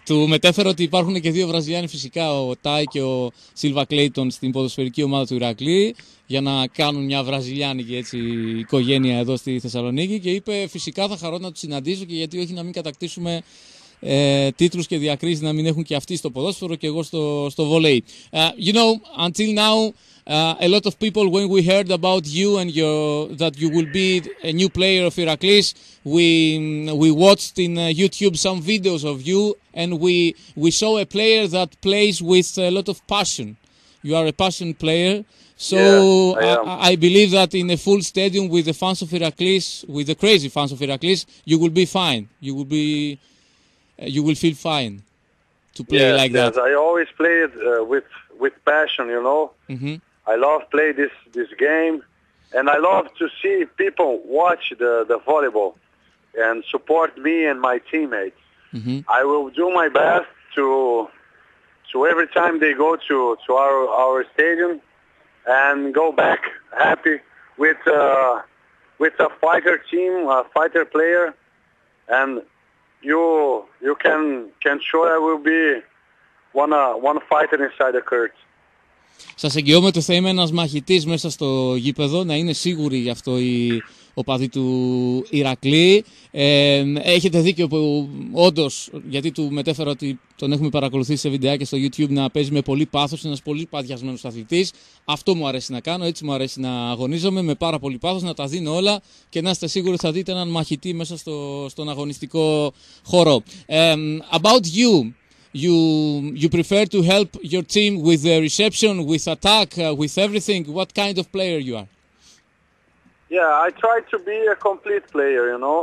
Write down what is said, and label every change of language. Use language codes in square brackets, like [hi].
[el] Του μετέφερε ότι υπάρχουν και 2 Βραζιλιάνοι φυσικά, ο Τάι και ο Σίλβα Κλέιτον στην ποδοσφαιρική ομάδα του Ηρακλή, για να κάνουν μια βραζιλιάνικη έτσι οικογένεια εδώ στη Θεσσαλονίκη και είπε φυσικά θα χαρώ να τους συναντήσω και γιατί όχι να μην κατακτήσουμε τίτλους και διακρίσεις, να μην έχουν και αυτοί στο ποδόσφαιρο και εγώ στο βολέι. [en] You know, until now A lot of people, when we heard about you and your that you will be a new player of Heracles, we watched in YouTube some videos of you, and we saw a player that plays with a lot of passion. You are a passion player, so yeah, I believe that in a full stadium with the fans of Heracles, with the crazy fans of Heracles, you will be fine. You will be, you will feel fine to play that. Yes, I always played with passion. You know. Mm-hmm. I love play this game, and I love to see people watch the volleyball and support me and my teammates. Mm-hmm. I will do my best to every time they go to our stadium and go back happy with a fighter team, a fighter player, and you can show I will be one fighter inside the court. [el] Σας εγγυώ με το Θεό, είμαι ένας μαχητής μέσα στο γήπεδο, να είναι σίγουροι γι' αυτό οι οπαδοί του Ηρακλή. Έχετε δίκιο που όντως, γιατί του μετέφερα ότι τον έχουμε παρακολουθήσει σε βιντεάκια στο YouTube, να παίζει με πολύ πάθος, ένας πολύ παδιασμένος αθλητής. Αυτό μου αρέσει να κάνω, έτσι μου αρέσει να αγωνίζομαι με πάρα πολύ πάθος, να τα δίνω όλα και να είστε σίγουροι θα δείτε έναν μαχητή μέσα στον αγωνιστικό χώρο. [en] About you. You prefer to help your team with the reception, with attack, with everything. What kind of player you are? Yeah, I try to be a complete player, you know,